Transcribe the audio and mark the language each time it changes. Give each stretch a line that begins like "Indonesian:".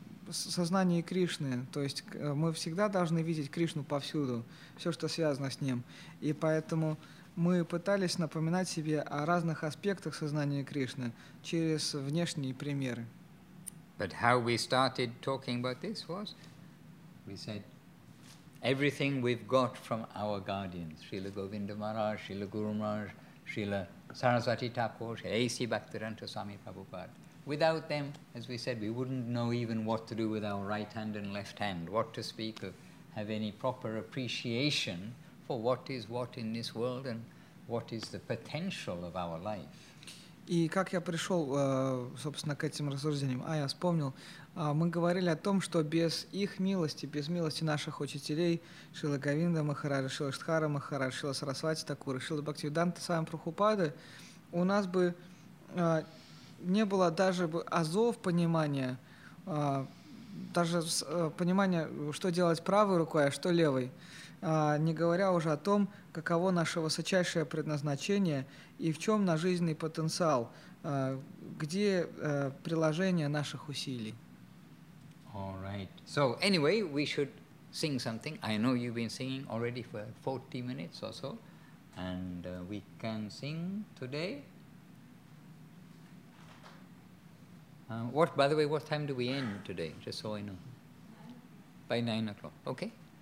Russian: сознании Кришны, то есть мы всегда должны видеть Кришну повсюду, все, что связано с Ним, и поэтому мы пытались напоминать себе о разных аспектах сознания Кришны через внешние примеры.
English: But how we started talking about this was, we said, everything we've got from our guardians, Srila Govinda Maharaj, Srila Guru Maharaj, Srila Saraswati Thakur, Srila A.C. Bhaktivedanta Swami Prabhupada. Without them, as we said, we wouldn't know even what to do with our right hand and left hand, what to speak of, have any proper appreciation for what is what in this world and what is the potential of our life.
Russian: И как я пришел, собственно, к этим рассуждениям? А, я вспомнил. Мы говорили о том, что без их милости, без милости наших учителей, Шрила Говинда Махараджа, Шрила Штхара Махараджа, Шрила Сарасвати Такура, Шрила Бхактивиданта Свами Прабхупады, у нас бы не было даже азов понимания, даже понимания, что делать правой рукой, а что левой. Не говоря уже о том, каково наше высочайшее предназначение и в чем наш жизненный потенциал, где приложение наших усилий.
English: All right. So, anyway, we should sing something. I know you've been singing already for 40 minutes or so. And we can sing today. By the way, what time do we end today? Just so I know. By 9 o'clock. Okay.